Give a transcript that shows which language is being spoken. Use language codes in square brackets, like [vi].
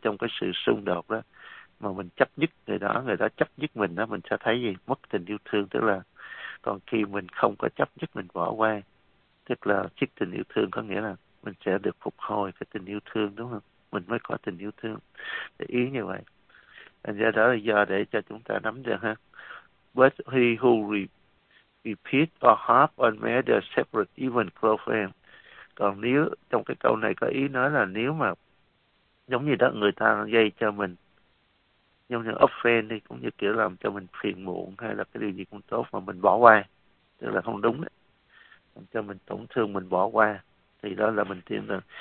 [vi] Trong cái sự xung đột đó, mà mình chấp nhất người đó chấp nhất mình đó, mình sẽ thấy gì? Mất tình yêu thương. Tức là còn khi mình không có chấp nhất mình bỏ qua, tức là chiếc tình yêu thương có nghĩa là mình sẽ được phục hồi cái tình yêu thương, đúng không? Mình mới có tình yêu thương. Để ý như vậy. Thành ra đó là do để cho chúng ta nắm được ha. [en] But he who repeat or harp on matters separate, even close friends. [vi] Còn nếu trong cái câu này có ý nói là nếu mà giống như đó người ta gây cho mình giống như offend đi, cũng như kiểu làm cho mình phiền muộn hay là cái điều gì cũng tốt mà mình bỏ qua, tức là không đúng đấy, cho mình tổn thương mình bỏ qua thì đó là mình tin rồi.